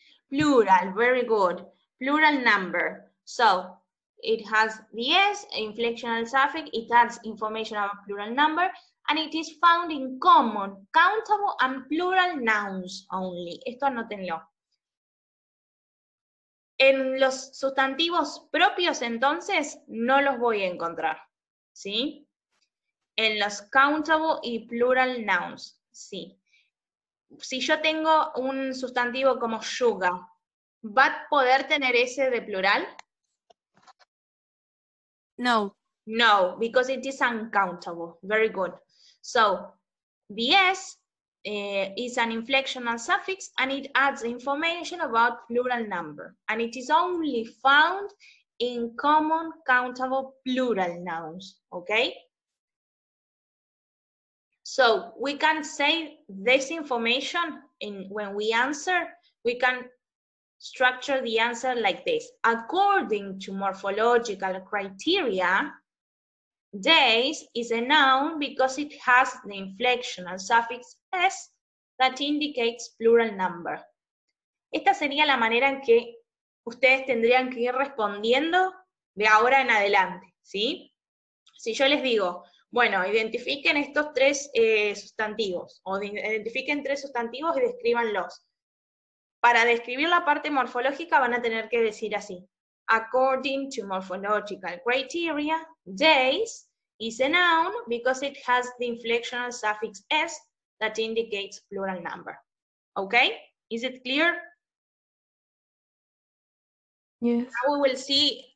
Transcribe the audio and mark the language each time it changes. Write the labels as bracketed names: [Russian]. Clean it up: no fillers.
[English] Plural, very good. Plural number. So, it has the S, inflectional suffix, it adds information about plural number, and it is found in common, countable, and plural nouns only. [Spanish] Esto anótenlo. En los sustantivos propios, entonces, no los voy a encontrar, ¿sí? En los [English] countable [Spanish] y [English] plural nouns, [Spanish] sí. Si yo tengo un sustantivo como sugar, ¿va a poder tener ese de plural? No. [English] No, because it is uncountable. Very good. So, the S is an inflectional suffix and it adds information about plural number. And it is only found in common countable plural nouns. Okay? So, we can say this information in when we answer, we can structure the answer like this. According to morphological criteria, days is a noun because it has the inflectional suffix s that indicates plural number. [Spanish] Esta sería la manera en que ustedes tendrían que ir respondiendo de ahora en adelante, ¿sí? Si yo les digo, bueno, identifiquen estos tres sustantivos, o identifiquen tres sustantivos y descríbanlos. Para describir la parte morfológica van a tener que decir así. [English] According to morphological criteria, days is a noun because it has the inflectional suffix s that indicates plural number. Okay? Is it clear? Yes. Now we will see